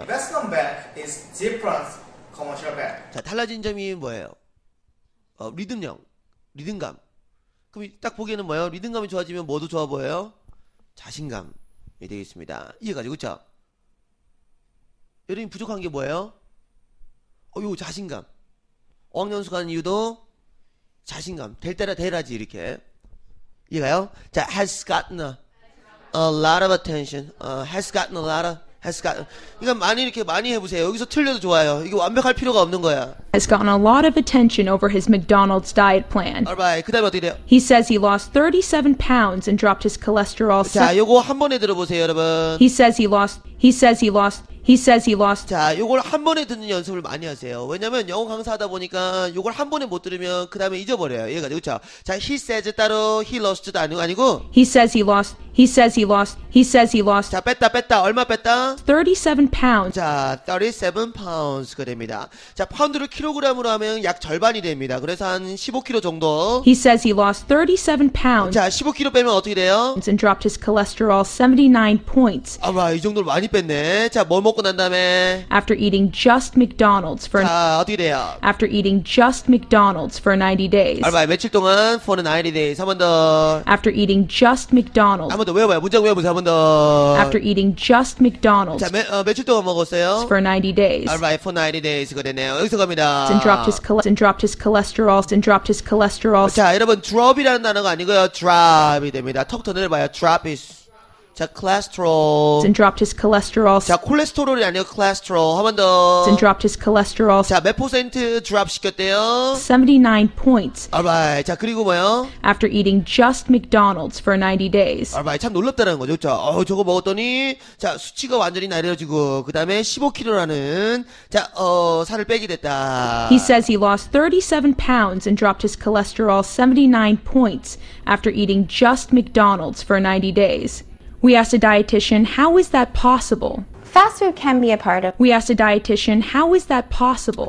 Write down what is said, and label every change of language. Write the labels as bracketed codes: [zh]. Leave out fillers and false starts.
[en] Investment bank is different commercial bank. [ko] 자, 달라진 점이 뭐예요? 리듬형. 리듬감. 그럼 딱 보기에는 뭐예요? 리듬감이 좋아지면 뭐도 좋아 보여요? 자신감이 되겠습니다. 이해가죠, 그렇죠? 여러분 부족한 게 뭐예요? 요 자신감. 어학연수 가는 이유도 자신감. 될 때라 대라지 이렇게. 이해가요? [en] 자, has gotten a lot of attention. Has gotten a lot of has got [ko] 그러니까 많이 이렇게 많이 해 보세요. 여기서 틀려도 좋아요. 이게 완벽할 필요가 없는 거야. [en] Has gotten a lot of attention over his McDonald's diet plan. [ko] Alright, 그다음 어떻게 돼요? [en] He says he lost 37 pounds and dropped his cholesterol. [ko] 자, 요거 한 번에 들어 보세요, 여러분. [en] He says he lost. He says he lost. He says he lost. [ko] 자, 요걸 한 번에 듣는 연습을 많이 하세요. 왜냐면 영어 강사하다 보니까 요걸 한 번에 못 들으면 그 다음에 잊어버려요. 이해가 되죠? [en] 자, he says [ko] 따로 [en] he lost도 아니고 He says he lost. He says he lost. He says he lost. [ko] 자, 뺐다 뺐다. 얼마 뺐다? [en] 37 pounds. [ko] 자, 37 pounds가 됩니다. 자, 파운드를 킬로그램으로 하면 약 절반이 됩니다. 그래서 한 15kg 정도. [en] He says he lost 37 pounds. [ko] 자, 15kg 빼면 어떻게 돼요? [en] And dropped his cholesterol 79 points. [ko] 아, 와, 이 정도로 많이 뺐네. 자, 뭐 먹고 난 다음에 [en] After eating just McDonald's for [ko] 자, 어떻게 돼요? [en] After eating just McDonald's for 90 days. [ko] 아, 며칠 동안 [en] for 90 days. [ko] 한 번 더. [en] After eating just McDonald's [ko] 한 번 더 외워봐요. 문장 외워보세요. 한 번 더. [en] After eating just McDonald's. [ko] 자, 며칠 동안 먹었어요? [en] For 90 days. Alright, for 90 days. [ko] 이거 되네요. 여기서 갑니다. [en] And dropped his cholesterol. And dropped his cholesterol. And dropped his cholesterol. [ko] 자, 여러분, drop이라는 단어가 아니고요. drop이 됩니다. 턱 더 내려봐요. [en] drop is. [ko] 자, cholesterol. [en] And dropped his cholesterol. [ko] 자, 콜레스테롤이 아니고 cholesterol. 한 번 더. [en] And dropped his cholesterol. [ko] 자, 몇 퍼센트 drop 시켰대요? [en] 79 points. [ko] Alright. 자, 그리고 뭐요? [en] After eating just McDonald's for 90 days. [ko] Alright. 참 놀랍다는 거죠. 자, 저거 먹었더니, 자, 수치가 완전히 내려지고, 그 다음에 15kg라는, 자, 살을 빼게 됐다. [en] He says he lost 37 pounds and dropped his cholesterol 79 points after eating just McDonald's for 90 days. We asked a dietitian, how is that possible? Fast food can be a part of. We asked a dietitian, how is that possible?